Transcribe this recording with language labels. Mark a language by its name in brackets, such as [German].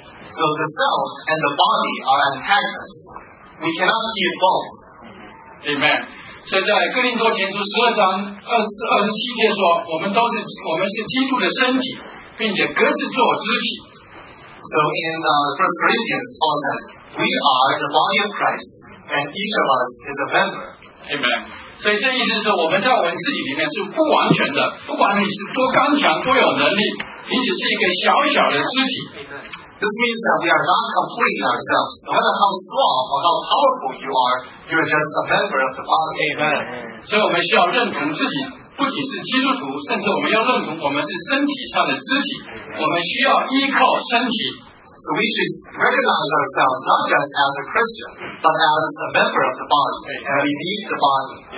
[English] So the self and the body are antagonists. We cannot keep both. Amen. [Chinese] 所以在哥林多前书12章27节说，我们是基督的身体，并且各自做肢体。 [English] So in 1 Corinthians, Paul said, we are the body of Christ, and each of us is a member. Amen. [Chinese] 所以这意思是我们在我们自己里面是不完全的，不管你是多刚强、多有能力，你只是一个小小的肢体。 [English] This means that we are not complete in ourselves. No matter how strong or how powerful you are, you are just a member of the body. Amen. [Chinese] 所以我们需要认同自己，不仅是基督徒，甚至我们要认同我们是身体上的肢体。我们需要依靠身体。 [English] So we should recognize ourselves not just as a Christian, but as a member of the body, and we need the body.